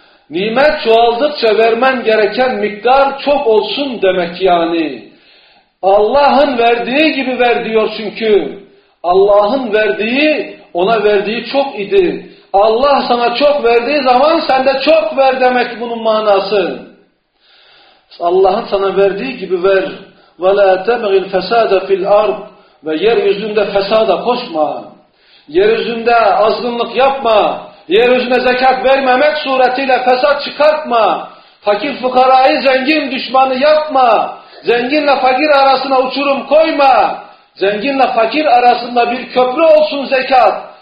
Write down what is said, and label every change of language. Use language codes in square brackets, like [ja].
[tr] Nimet çoğaldıkça vermen gereken miktar çok olsun demek yani. Allah'ın verdiği gibi ver diyor çünkü. Allah'ın verdiği, ona verdiği çok idi. Allah sana çok verdiği zaman sen de çok ver demek bunun manası. Allah'ın sana verdiği gibi ver. [ar] وَلَا تَبْغِ الْفَسَادَ فِي الْاَرْضِ [tr] Ve yeryüzünde fesada koşma. Yeryüzünde azgınlık yapma. Yeryüzüne zekat vermemek suretiyle fesat çıkartma. Fakir fukarayı zengin düşmanı yapma. Zenginle fakir arasına uçurum koyma. Zenginle fakir arasında bir köprü olsun zekat.